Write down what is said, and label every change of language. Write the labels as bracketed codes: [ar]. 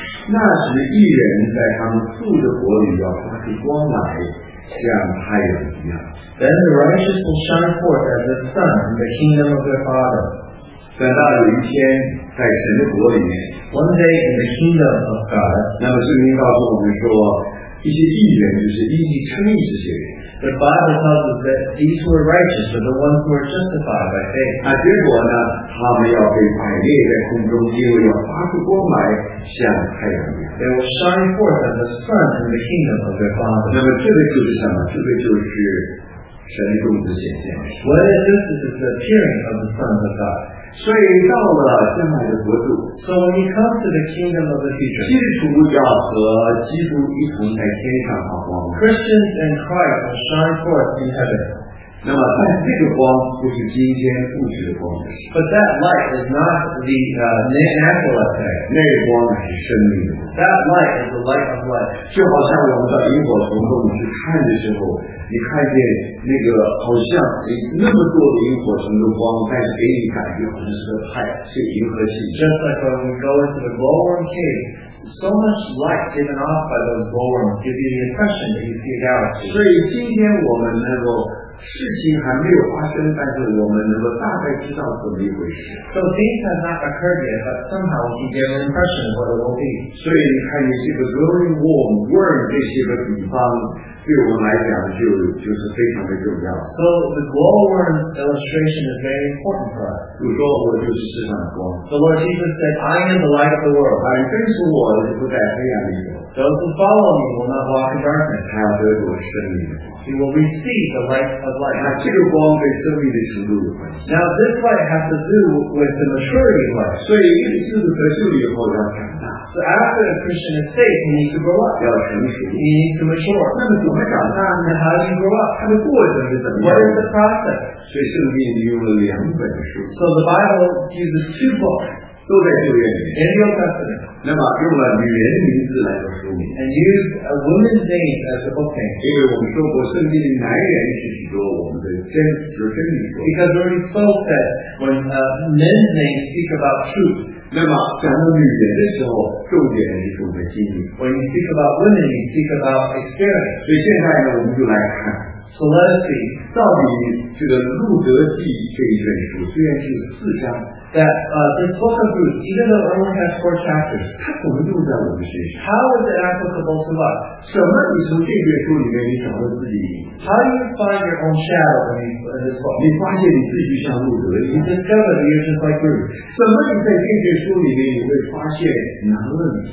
[zh] 那时异人在他们父的国里要发出光来，像太阳一样。 [en] Then the righteous will shine forth as the sun in the kingdom of their father. [zh] 等到有一天，在神的国里面 [en] ，One day in the kingdom of God， [zh] 那么圣经告诉我们说，一些义人就是义地称义这些人。 [en] The Bible tells us that these were righteous, but the ones who were justified by faith. [zh] 那结果呢？他们要被摆列在空中，因为要发出光来，像太阳一样。 [en] They will shine forth as the sun in the kingdom of their Father. [zh] 那么这个就是什么？这个就是神的众子显现。 [en] What is this? This is the appearing of the sons of God. [zh] 所以到了将来的国度 [en] ，So when you come to the kingdom of the future， [zh] 基督徒要和基督一同在天上发光。 [en] Christians and Christ will shine forth in heaven。 [zh] 那么在这个光不是今天物质的光。 [en] But that light is not the natural effect. [zh] 那个光是生命的。 [en] That light is the light of life. [zh] 就好像我们到萤火虫中去看的时候，你看见那个好像那么多的萤火虫的光，但是给你感觉好像是个太阳，是银河系。 [en] Just like when we go into the glowworm cave. So much light given off by those glowworms give you the impression that you see a galaxy. [zh] 所以今天我们能够事情还没有发生，但是我们能够大概知道怎么一回事。 [en] So things have not occurred yet, but somehow we get an impression of what it will be. [zh] 所以你看你这个 glowing worm 这些个地方，对我们来讲就是非常的重要。 [en] So the glowworm's illustration is very important for us. [zh] 比如说我就是世上的光。 [en] The Lord Jesus said, "I am the light of the world." [zh] 那你跟随我就不在黑暗里了。 [en] Those who follow me will not walk in darkness. [zh] 他要得着生命的光。 [en] He will receive the light of life. [zh] 那这个光跟生命的程度有关系。 [en] Now this light has to do with the maturity of life. [zh] 所以一个基督徒得救以后要长大。 [en] So after a Christian is saved, he needs to grow up. [zh] 要成熟。 [en] He needs to mature. [zh] 那么怎么长大呢？ [en] And how do you grow up? [zh] 它的过程是怎么样？ [en] What is the process? [zh] 所以圣经里用了两本书。 [en] So the Bible uses two books. [zh] 都在旧约里面。 [en] In the Old Testament. [zh] 那么用了女人的名字来做书名 [en] ，and use a woman's name as a book name。 [zh] 因为我们说过，圣经的男人是许多我们的真，就是真理说。 [en] Because we spoke that when men's names speak about truth。 [zh] 那么讲到女人的时候，重点就是我们的经历。 [en] When you speak about women, you speak about experience。 [zh] 所以现在呢，我们就来看。 [en] So let's see， [zh] 到底这个路德记这一卷书，虽然是四章。 [en] That this book of Ruth, even though it only has four chapters, [zh] 它怎么用在我们身上？ [en] How is it applicable to us? [zh] 什么你从这本书里面你找到自己？ [en] How do you find your own shadow in this book? [zh] 你发现你自己像路德一样。 [en] You discover that you're just like Ruth. [zh] 什么你在这本书里面你会发现难问题？